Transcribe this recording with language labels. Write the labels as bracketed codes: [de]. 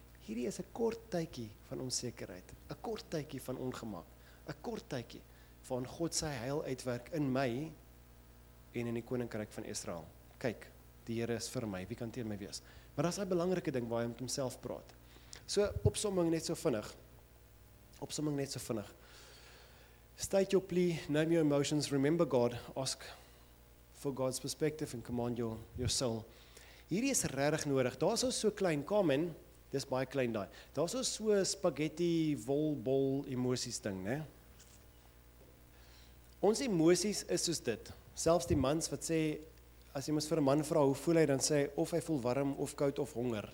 [af] Hierdie is 'n kort tydjie van onsekerheid, 'n kort tydjie van ongemak, 'n kort tydjie van God se heil uitwerk in my en in die koninkryk van Israel. Kyk, die Here is vir my, wie kan teen my wees? Maar daar's 'n belangrike ding waar hy met homself praat. So opsomming net so vinnig. Opsomming net so vinnig. [en] State your plea, name your emotions, remember God, ask for God's perspective and command your soul. [af] Hierdie is regtig nodig. Daar's ons so klein common, dis baie klein daai. Daar's ons so spaghetti wolbol emosies ding, né? Ons emosies is soos dit. Selfs die mans wat sê as jy mos vir 'n man vra hoe voel hy dan sê of hy voel warm of koud of honger.